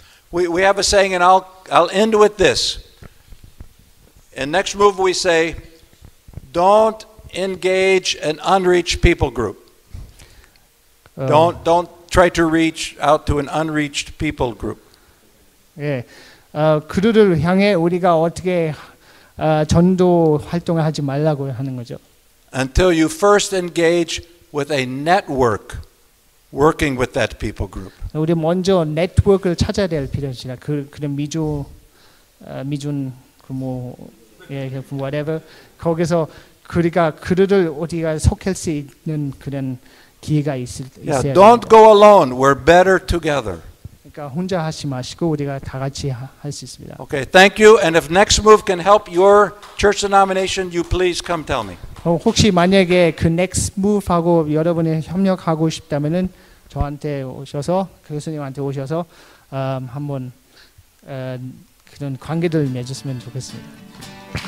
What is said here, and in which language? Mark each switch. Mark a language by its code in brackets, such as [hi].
[en] We have a saying, and I'll end with this. In next move, we say, don't engage an unreached people group. Don't try to reach out to an unreached people group. [ko] 예. 그들을 향해 우리가 어떻게 전도 활동을 하지 말라고 하는 거죠. [en] Until you first engage with a network working with that people group. [ko] 우리 먼저 네트워크를 찾아야 될 필요가 있다. 그런 미주 미준 그 뭐 예, whatever. 거기서 그러니까 그들을 어디가 속할 수 있는 그런 기회가 있을 있어야 돼. [en] Yeah, don't go alone. We're better together. [ko] 그러니까 혼자 하지 마시고 우리가 다 같이 할 수 있습니다. [en] Okay, thank you. And if next move can help your church denomination, you please come tell me. [ko] 혹시 만약에 그 next move 하고 여러분이 협력하고 싶다면은 저한테 오셔서 교수님한테 오셔서 한번 그런 관계들 맺었으면 좋겠습니다.